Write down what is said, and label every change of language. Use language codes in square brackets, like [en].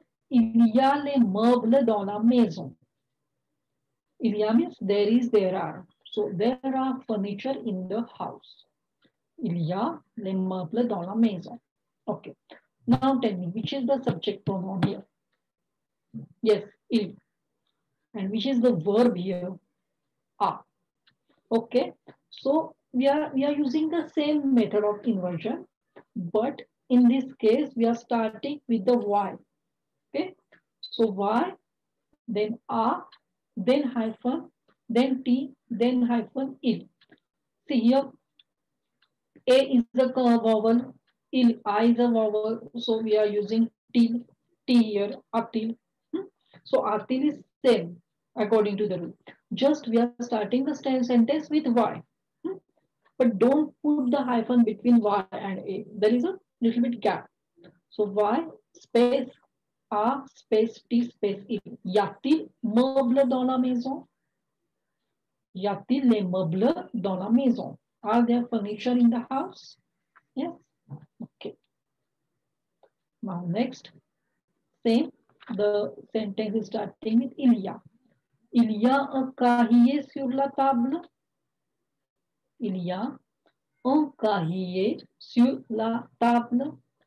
[fr] Il y a les meubles dans la maison. Il y a [en] means there is, there are. So there are furniture in the house. [fr] Il y a les meubles dans la maison. [en] Okay. Now tell me, which is the subject pronoun here? Yes, il. And which is the verb here? A. Okay. So we are using the same method of inversion, but in this case, we are starting with the Y. Okay. So Y, then A, then hyphen, then T, then hyphen il. See here, A is a vowel, il, I is a vowel, so we are using til, T here, atil. So atil is same according to the rule. Just we are starting the sentence with Y. But don't put the hyphen between Y and A. There is a little bit gap. So Y space a space, t space, it. [fr] Y a-t-il meubles dans la maison? Y a-t-il les meubles dans la maison? [en] Are there furniture in the house? Yes. Okay. Now next, same. The sentence is starting with il y a. [fr] Il y a un cahier sur la table. Il y a un cahier sur la table.